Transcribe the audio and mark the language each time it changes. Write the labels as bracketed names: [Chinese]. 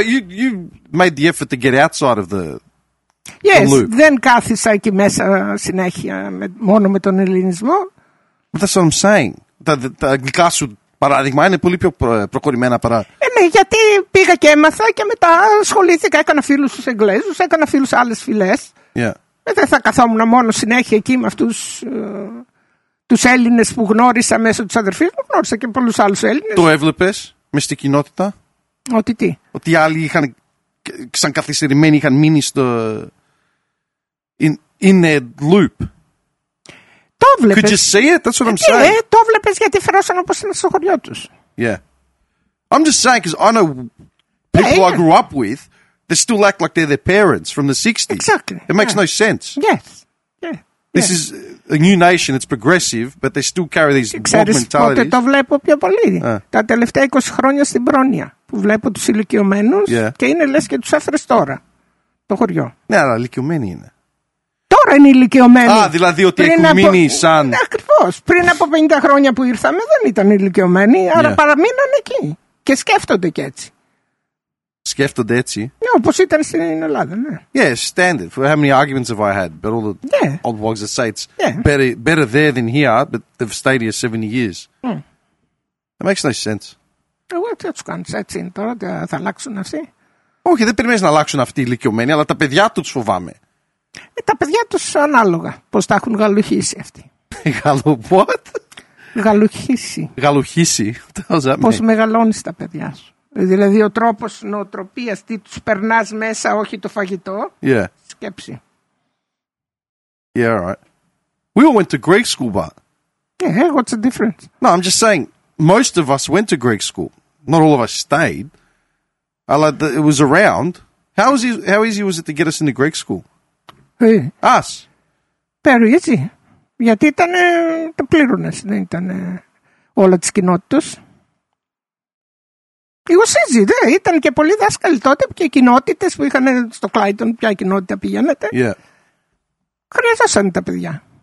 [English] Yeah, but you made the effort to get outside of the loop. Yes, [Greek] δεν κάθισα εκεί μέσα συνέχεια μόνο με τον ελληνισμό. [English] But that's what I'm saying. [Greek] Τα αγγλικά σου, παράδειγμα, είναι πολύ πιο προχωρημένα παρά... Ναι, γιατί πήγα και έμαθα και μετά ασχολήθηκα, έκανα φίλους στους Εγγλέζους, έκανα φίλους άλλες φυλές. [English] Yeah. [Greek] Δεν θα καθόμουν μόνο συνέχεια εκεί με αυτούς τους Έλληνες που γνώρισα μέσω τους αδερφής μου. Γνώρισα και πολλούς άλλους Έλληνες. Το έβλεπες μες στην κοινότητα? Ότι τι? Ότι οι άλλοι είχαν, σαν καθυστερημένοι, είχαν μείνει στο [English] in a loop. [Greek] Το βλέπεις. [English] Could you say it? That's what I'm saying. [Greek] Ναι, το βλέπεις γιατί φερόσαν όπως ήταν στο χωριό τους. [English] Yeah. I'm just saying because I know people I grew up with. They still act like they're their parents from the 60s. Exactly. It makes no sense. Yes. Yeah. This is a new nation. It's progressive, but they still carry these bold mentalities. [Greek] Ξέρεις πότε το βλέπω πιο πολύ. Τα τελευταία 20 χρόνια στην Πρόνοια που βλέπω τους ηλικιωμένους και είναι λες και τους έφερες τώρα το χωριό. Ναι, αλλά ηλικιωμένοι είναι. Τώρα είναι ηλικιωμένοι. Α, δηλαδή ότι έχουν μείνει σαν... Ακριβώς. Πριν από 50 χρόνια που ήρθαμε δεν ήταν ηλικιωμένοι, αλλά παραμείναν εκεί και σκέφτονται και έτσι. Σκέφτονται έτσι. Ναι, όπως ήταν στην Ελλάδα, ναι. [English] Yeah, standard. For how many arguments have I had? But all the old wogs that say it's better there than here, but they've stayed here 70 years. That makes no sense. [Greek] Εγώ τι θα τους κάνεις έτσι τώρα, θα αλλάξουν αυτοί. Όχι, δεν περιμένεις να αλλάξουν αυτοί οι ηλικιωμένοι, αλλά τα παιδιά τους φοβάμαι. Τα παιδιά τους ανάλογα, πώς τα έχουν γαλουχίσει αυτοί. [English] What? [Greek] Γαλουχίσει. Γαλουχίσει. Πώς μεγαλώνεις τα παιδιά σου. Δηλαδή ο τρόπος νοοτροπίας, τι τους περνάς μέσα, όχι το φαγητό. [English] Yeah. [Greek] Σκέψη. [English] Yeah, right. We all went to Greek school, but... Yeah, what's the difference? No, I'm just saying, most of us went to Greek school. Not all of us stayed. It was around. How easy was it to get us into Greek school? Hey. Us. Very easy. [Greek] Γιατί ήταν το πλήρωνες, δεν ήταν όλα τις κοινότητες. Εγώ σύζυγε, ήταν και πολλοί δάσκαλοι τότε και οι κοινότητες που είχαν στο Κλάιντον, ποια κοινότητα πηγαίνετε. [English] Yeah. [Greek] Χρειάζονταν τα παιδιά.